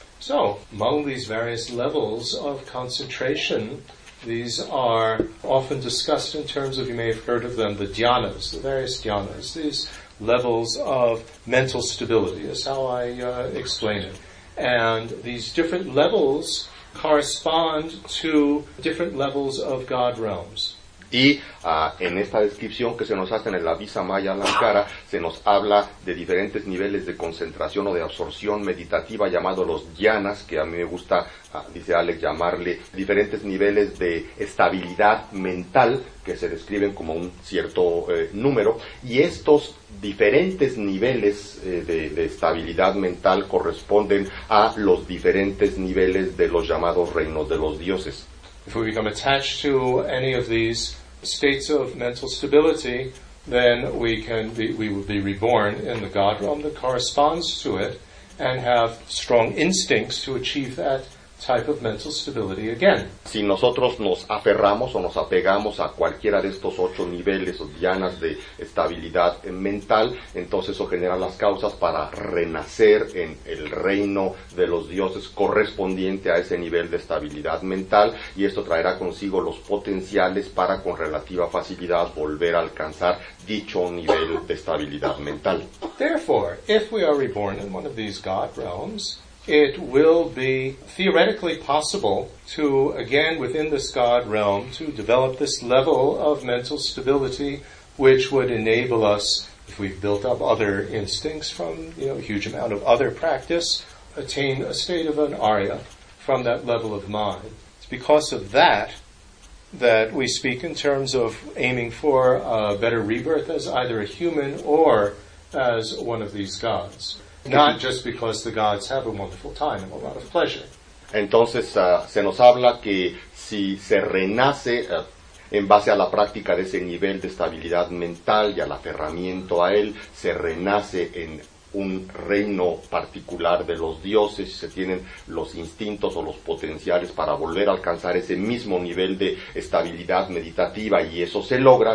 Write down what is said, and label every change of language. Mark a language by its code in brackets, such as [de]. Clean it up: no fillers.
[en] So, among these various levels of concentration, these are often discussed in terms of, you may have heard of them, the dhyanas, the various dhyanas, these levels of mental stability is how I explain it. And these different levels correspond to different levels of God realms. [es] Y en esta descripción que se nos hace en el Abhisamaya Alankara, se nos habla de diferentes niveles de concentración o de absorción meditativa llamados los dhyanas, que a mí me gusta, dice Alex, llamarle diferentes niveles de estabilidad mental, que se describen como un cierto número, y estos diferentes niveles de estabilidad mental corresponden a los diferentes niveles de los llamados reinos de los dioses. [en] If we become attached to any of these states of mental stability, then we will be reborn in the God realm that corresponds to it and have strong instincts to achieve that type of mental stability again. [es] Si nosotros nos aferramos o nos apegamos a cualquiera de estos ocho niveles o dianas de estabilidad mental, entonces eso genera las causas para renacer en el reino de los dioses correspondiente a ese nivel de estabilidad mental, y esto traerá consigo los potenciales para con relativa facilidad volver a alcanzar dicho nivel de estabilidad mental. [en] Therefore, if we are reborn in one of these God realms, it will be theoretically possible to, again, within this God realm, to develop this level of mental stability which would enable us, if we've built up other instincts from, you know, a huge amount of other practice, attain a state of an Arya from that level of mind. It's because of that that we speak in terms of aiming for a better rebirth as either a human or as one of these gods. Not just because the gods have a wonderful time and a lot of pleasure. [es] Entonces, se nos habla que si se renace en base a la práctica de ese nivel de estabilidad mental y al aferramiento a él, se renace en un reino particular de los dioses, se tienen los instintos o los potenciales para volver a alcanzar ese mismo nivel de estabilidad meditativa, y eso se logra.